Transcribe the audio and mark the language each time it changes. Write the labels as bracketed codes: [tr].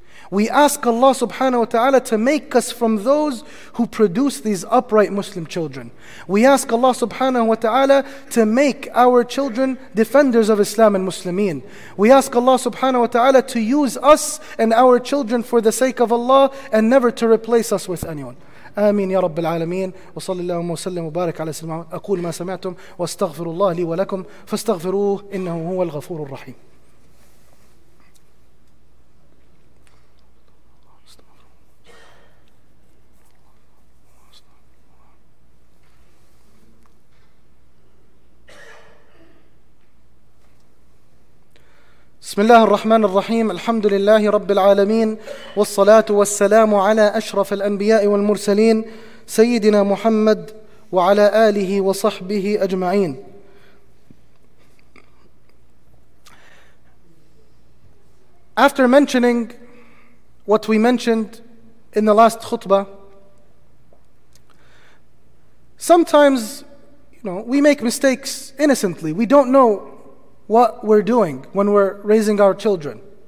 [en] We ask Allah subhanahu wa ta'ala to make us from those who produce these upright Muslim children. We ask Allah subhanahu wa ta'ala to make our children defenders of Islam and Muslimin. We ask Allah subhanahu wa ta'ala to use us and our children for the sake of Allah and never to replace us with anyone. [ar] آمين يا رب العالمين وصلى الله وسلم وبارك على سيدنا محمد أقول ما سمعتم واستغفر الله لي ولكم فاستغفروه إنه هو الغفور الرحيم. بسم الله الرحمن الرحيم الحمد لله رب العالمين والصلاة والسلام على أشرف الأنبياء والمرسلين سيدنا محمد وعلى آله وصحبه أجمعين. [en] After mentioning what we mentioned in the last khutbah, sometimes we make mistakes innocently. We don't know what we're doing when we're raising our children.